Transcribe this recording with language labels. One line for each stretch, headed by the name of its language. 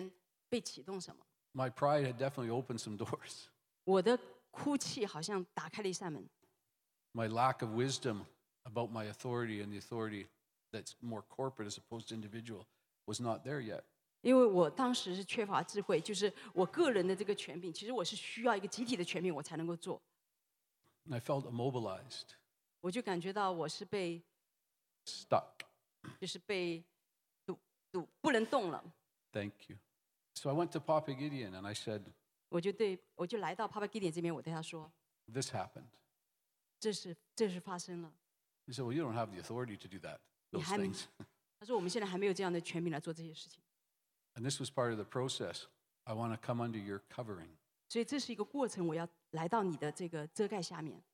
Chinese: 我就感觉到好像我的里面被启动什么。
English: My pride had definitely opened some doors.
Chinese: 我的哭泣好像打开了一扇门。
English: My lack of wisdom about my authority and the authority that's more corporate as opposed to individual was not there yet.
Chinese: 因为我当时是缺乏智慧，就是我个人的这个权柄，其实我是需要一个集体的权柄，我才能够做。
English: I felt immobilized.
Chinese: 我就感觉到我是被
English: stuck.
Chinese: 就是被堵，不能动了。Thank
English: you. So I went to Papa Gideon and I said,
Chinese: 我就来到 Papa Gideon这边，我对他说，
English: This happened.
Chinese: 这是发生了。
English: He said, well, you don't have the authority to do that, those things.
Chinese: 他说我们现在还没有这样的权柄来做这些事情。
English: And this was part of the process. I want to come under your covering.
Chinese: 所以这是一个过程，我要来到你的这个遮盖下面。